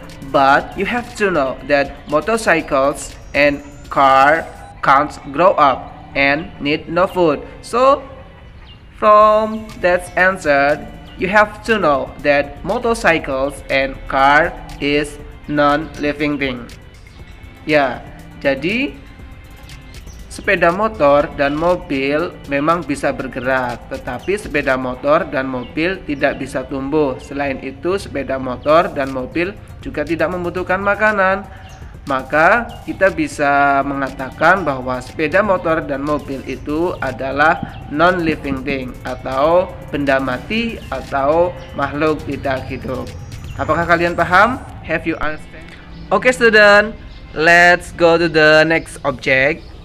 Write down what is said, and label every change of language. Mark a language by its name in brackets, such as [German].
[English] But you have to know that motorcycles and car can't grow up and need no food. So, from that answer, you have to know that motorcycles and car is non-living thing. [Indonesian] Yeah, jadi sepeda motor dan mobil memang bisa bergerak, tetapi sepeda motor dan mobil tidak bisa tumbuh. Selain itu, sepeda motor dan mobil juga tidak membutuhkan makanan. Maka, kita bisa mengatakan bahwa sepeda motor dan mobil itu adalah [English] non-living thing [Indonesian] atau benda mati atau makhluk tidak hidup. Apakah kalian paham? [English] Have you understand? Okay, student, let's go to the next object.